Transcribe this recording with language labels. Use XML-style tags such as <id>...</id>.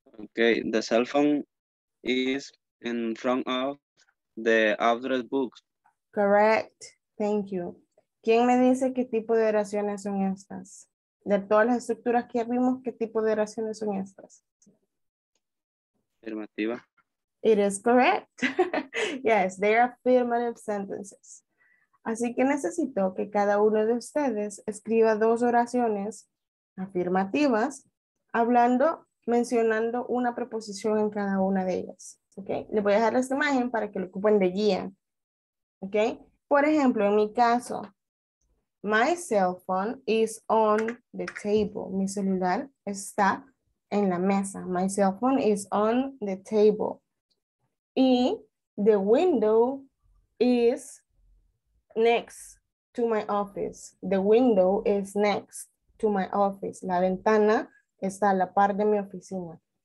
<en>Okay, the cell phone is in front of the address book. Correct. Thank you.</en> <es>¿Quién me dice qué tipo de oraciones son estas? De todas las estructuras que vimos, ¿qué tipo de oraciones son estas? Afirmativa.</es> <en>It is correct. Yes, they are affirmative sentences.</en> <es>Así que necesito que cada uno de ustedes escriba dos oraciones afirmativas hablando, mencionando una preposición en cada una de ellas. Okay? Les voy a dejar esta imagen para que lo ocupen de guía.</es> <en>Okay?</en> <es>Por ejemplo, en mi caso,</es> <en>my cell phone is on the table.</en> <es>Mi celular está en la mesa.</es> <en>My cell phone is on the table. Y the window is next to my office. The window is next to my office.</en> <es>La ventana está a la par de mi oficina.</es>